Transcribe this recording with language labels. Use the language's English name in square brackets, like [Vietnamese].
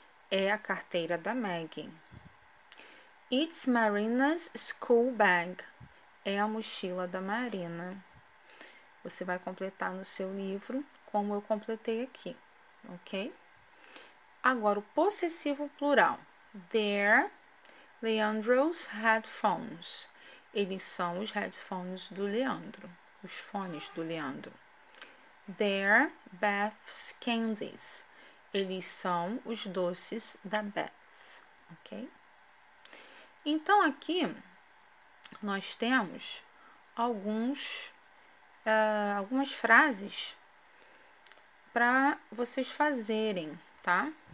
[Portuguese] É a carteira da Maggie. [English] It's Marina's school bag. [Portuguese] É a mochila da Marina. Você vai completar no seu livro como eu completei aqui, ok? Agora, o possessivo plural. [English] They're Leandro's headphones. [Portuguese] Eles são os headphones do Leandro. Os fones do Leandro. [English] They're Beth's candies. [Portuguese] Eles são os doces da Beth. Ok? Então, aqui, nós temos algumas frases para vocês fazerem, tá?